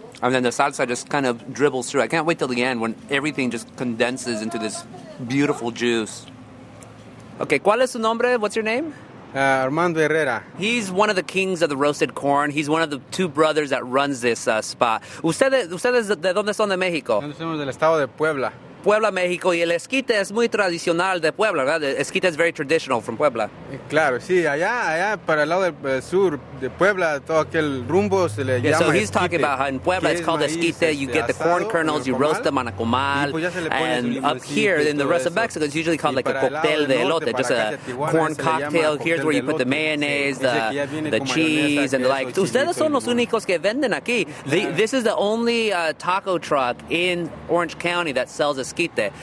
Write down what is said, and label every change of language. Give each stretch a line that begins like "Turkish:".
English: And then the salsa just kind of dribbles through. I can't wait till the end when everything just condenses into this beautiful juice.
Spanish: Okay, ¿cuál es su nombre?
English: What's your name?
Spanish: Armando Herrera.
English: He's one of the kings of the roasted corn. He's one of the two brothers that runs this spot.
Spanish: ¿Ustedes de dónde son de México? Nosotros somos del estado de Puebla. Puebla, México. Y el esquite es muy tradicional de Puebla, ¿verdad? El esquite es
English: very traditional from Puebla.
Spanish: Claro, sí. Allá para el lado del sur de Puebla, todo aquel rumbo se le llama esquite.
English: So he's talking about how in Puebla it's called esquite. You get the corn kernels, you roast them on a comal. And up here in the rest of Mexico, it's usually called like a cóctel de elote, just a corn cocktail. Here's where you put the mayonnaise, the cheese, and the like.
Spanish: Ustedes son los únicos que venden aquí.
English: This is the only taco truck in Orange County that sells esquite.